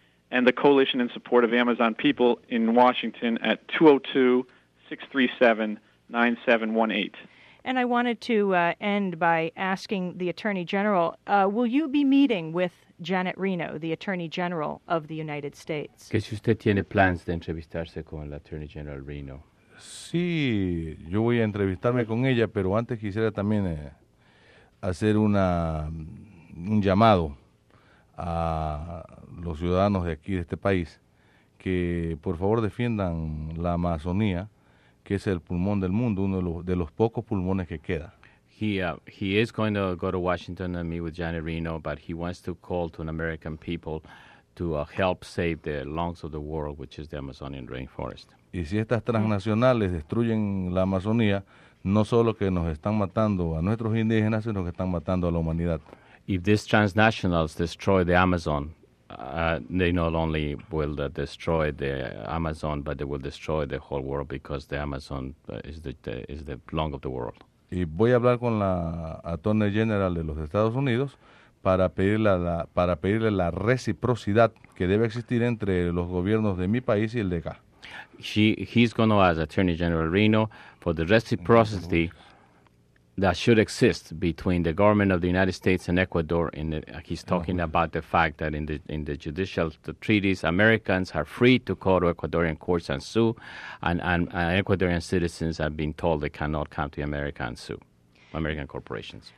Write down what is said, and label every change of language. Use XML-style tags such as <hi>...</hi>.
<en>And the Coalition in Support of Amazon People in Washington at 202-637-9718. And I wanted to end by asking the Attorney General, will you be meeting with Janet Reno, the Attorney General of the United States?</en> <es>¿Que si usted tiene plans de entrevistarse con la Attorney General Reno? Sí, yo voy a entrevistarme con ella, pero antes quisiera también hacer un llamado a los ciudadanos de aquí, de este país, que por favor defiendan la Amazonía, que es el pulmón del mundo, uno de los pocos pulmones que queda.</es> <en>He is going to go to Washington and meet with Janet Reno, but he wants to call to an American people to help save the lungs of the world, which is the Amazonian rainforest.</en> <es>Y si estas transnacionales destruyen la Amazonía, no solo que nos están matando a nuestros indígenas, sino que están matando a la humanidad.</es> <en>If these transnationals destroy the Amazon, they not only will destroy the Amazon, but they will destroy the whole world because the Amazon is the lung of the world.</en> <es>Y voy a hablar con la Attorney General de los Estados Unidos para pedirle la reciprocidad que debe existir entre los gobiernos de mi país y el de acá.</es> <en>He's going to ask Attorney General Reno for the reciprocity that should exist between the government of the United States and Ecuador. He's talking about the fact that in the judicial treaties, Americans are free to call to Ecuadorian courts and sue, and Ecuadorian citizens have been told they cannot come to America and sue American corporations.</en>